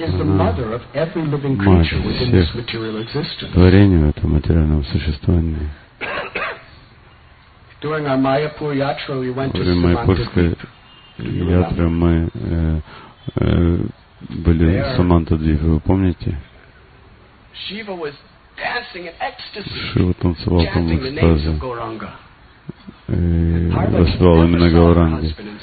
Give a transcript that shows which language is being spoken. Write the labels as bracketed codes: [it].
[en] is the mother of every living creature within this material existence. [ru] Творение в этом материальном существовании. [en] During our Mayapur yatra, we went to Samantadvipa. [ru] Мы были в Самантадвипе, вы помните? [en] Shiva was dancing in ecstasy. [ru] Шива танцевал там в экстазе. [en] Goranga. [ru] Воспевал именно Гауранги.